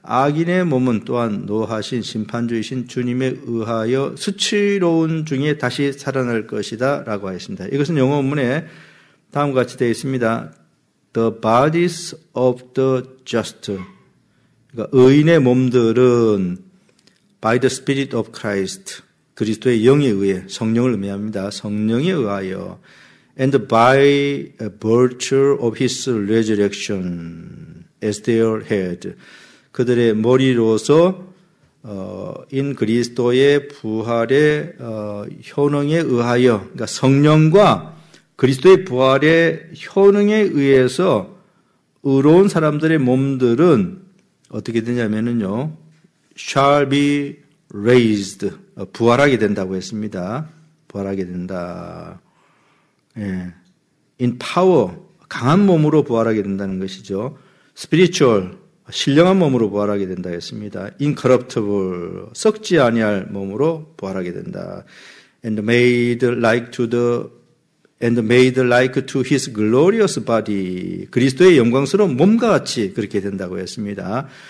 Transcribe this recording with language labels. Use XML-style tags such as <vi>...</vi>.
<ko>악인의 몸은 또한 노하신 심판주이신 주님에 의하여 수치로운 중에 다시 살아날 것이다 라고 하였습니다. 이것은 영어 문에 다음과 같이 되어 있습니다.</ko> <en>The bodies of the just.</en> <ko>그러니까 의인의 몸들은</ko> <en>by the spirit of Christ.</en> <ko>그리스도의 영에 의해 성령을 의미합니다. 성령에 의하여</ko> <en>And by virtue of his resurrection as their head.</en> <ko>그들의 머리로서, in 그리스도의 부활의, 효능에 의하여, 그러니까 성령과 그리스도의 부활의 효능에 의해서, 의로운 사람들의 몸들은 어떻게 되냐면요,</ko> <en>shall be raised.</en> <ko>부활하게 된다고 했습니다. 부활하게 된다. 예,</ko> <en>in power,</en> <ko>강한 몸으로 부활하게 된다는 것이죠. spiritual, 신령한 몸으로 부활하게 된다 했습니다. incorruptible, 썩지 아니할 몸으로 부활하게 된다.</ko> <en>and made like to the, and made like to his glorious body.</en> <ko>그리스도의 영광스러운 몸과 같이 그렇게 된다고 했습니다.</ko>